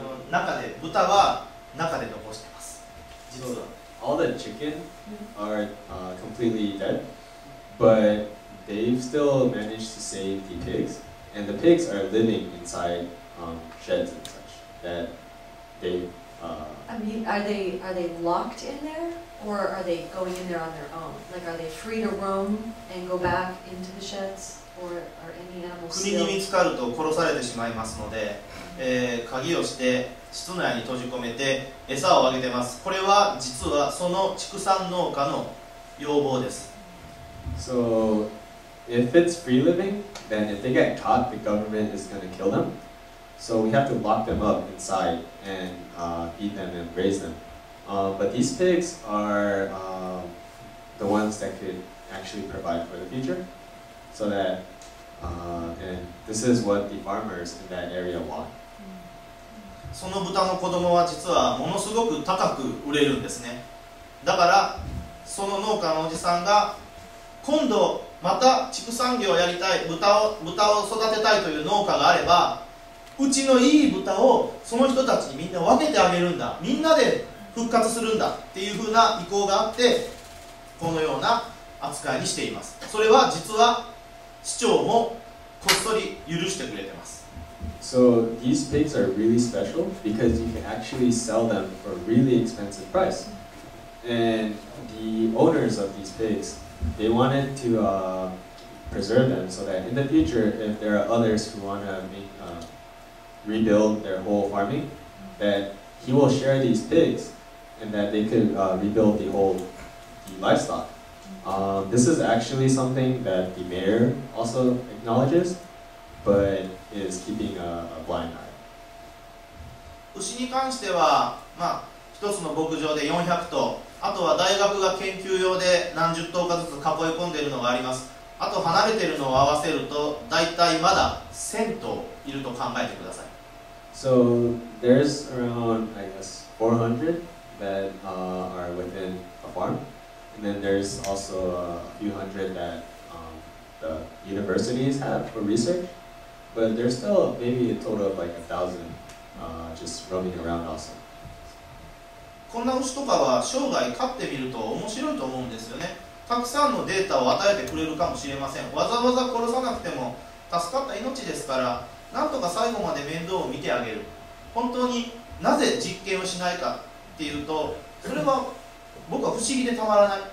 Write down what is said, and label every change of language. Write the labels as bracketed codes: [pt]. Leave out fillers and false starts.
[ja] 中で豚は中で残してます。実は。 [en] all the chicken are completely dead, but they've still managed to save the pigs, and the pigs are living inside sheds and such that they. I mean, are they locked in there, or are they going in there on their own? Like, are they free to roam and go back into the sheds, or are any animals? [ja] 国に見つかると殺されてしまいますので、鍵をして室内に閉じ込めて餌をあげてます。これは実はその畜産農家の要望です。 [en] So if it's free living, then if they get caught, the government is going to kill them. So we have to lock them up inside and feed them and raise them. But these pigs are the ones that could actually provide for the future. So that, and this is what the farmers in that area want. [ja] その豚の子供は実はものすごく高く売れるんですね。だからその農家のおじさんが今度また畜産業をやりたい、豚を育てたいという農家があれば、うちのいい豚をその人たちにみんな分けてあげるんだ、みんなで復活するんだっていうふうな意向があって、このような扱いにしています。それは実は市長もこっそり許してくれてます。 [en] So these pigs are really special because you can actually sell them for a really expensive price. And the owners of these pigs, they wanted to preserve them so that in the future, if there are others who want to rebuild their whole farming, that he will share these pigs and that they could rebuild the whole the livestock. This is actually something that the mayor also acknowledges, but is keeping a blind eye. [ja] 牛に関しては、まあ、一つの牧場で400頭、あとは大学が研究用で何十頭かずつ囲い込んでいるのがあります。あと離れているのを合わせると、だいたいまだ1000頭いると考えてください。 [en] So there's around, I guess, 400 that are within a farm. And then there's also a few hundred that the universities have for research. But there's still maybe a total of like 1,000 just roaming around also. [ja] こんな牛とかは生涯飼ってみると面白いと思うんですよね。たくさんのデータを与えてくれるかもしれません。わざわざ殺さなくても助かった命ですから、なんとか最後まで面倒を見てあげる。本当になぜ実験をしないかっていうと、それは僕は不思議でたまらない。